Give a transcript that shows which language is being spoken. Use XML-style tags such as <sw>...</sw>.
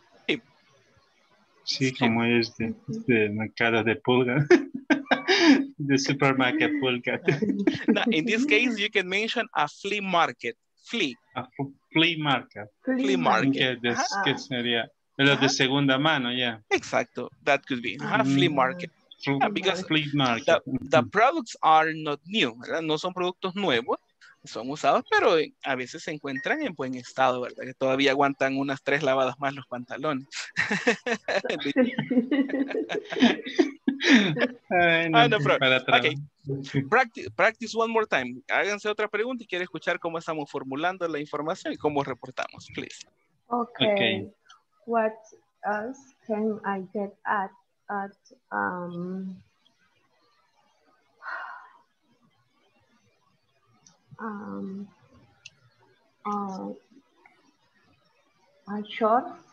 <es>Sí, sí, como es de mercado de pulgas.</es> <en>The supermarket pulgas. Now, in this case, you can mention a flea market. Flea market.</en> <es>Flea market. Que sería... Pero de segunda mano, yeah.</es> <en>Exacto, that could be. Uh-huh. Flea market. Yeah, because flea market. The products are not new, ¿verdad?</en> <es>No son productos nuevos, son usados, pero a veces se encuentran en buen estado, ¿verdad? Que todavía aguantan unas 3 lavadas más los pantalones. Ay, no, para</es> <en>okay. Practice one more time.</en> <es>Háganse otra pregunta y quiero escuchar cómo estamos formulando la información y cómo reportamos, please.</es> <en>Okay. What else can I get at a short?</en>